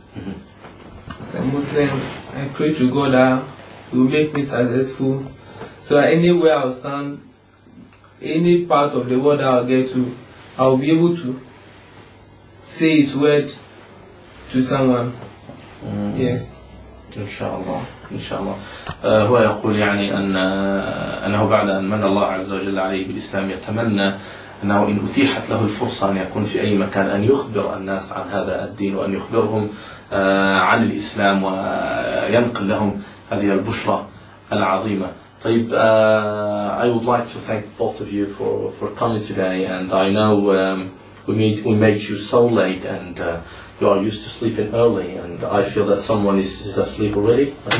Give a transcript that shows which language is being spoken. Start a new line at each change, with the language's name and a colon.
English: As a Muslim, I pray to God that will make me successful, so anywhere I stand, any part of the world I'll get to, I'll be able to say his word to someone.
Arabic: إن شاء الله. إن شاء الله. هو يقول يعني أنه بعد أن من الله عز وجل عليه بالإسلام يتمنى أنه إن أتيحت له الفرصة أن يكون في أي مكان أن يخبر الناس عن هذا الدين وأن يخبرهم عن الإسلام وينقل لهم هذه البشرة العظيمة.
English: طيب، I would like to thank both of you for coming today, and I know we made you so late, and you are used to sleeping early, and I feel that someone is asleep already.